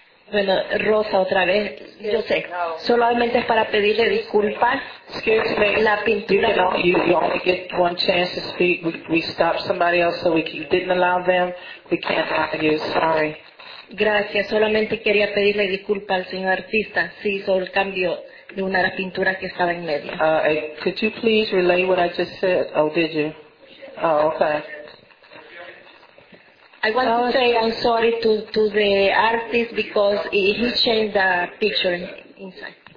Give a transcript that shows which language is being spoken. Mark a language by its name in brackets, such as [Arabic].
[Spanish] Bueno, Rosa, otra vez, yo sé, solamente es para pedirle disculpas. [English] Excuse me. [Spanish] La pintura. [English] You only get one chance to speak. We stopped somebody else, so you didn't allow them. We can't have you, sorry. [Spanish] Gracias, solamente quería pedirle disculpas al señor artista si hizo el cambio de una de las pinturas que estaba en medio. [English] Could you please relay what I just said? Oh, did you? Oh, okay. I want to say I'm sorry to the artist because he changed the picture inside.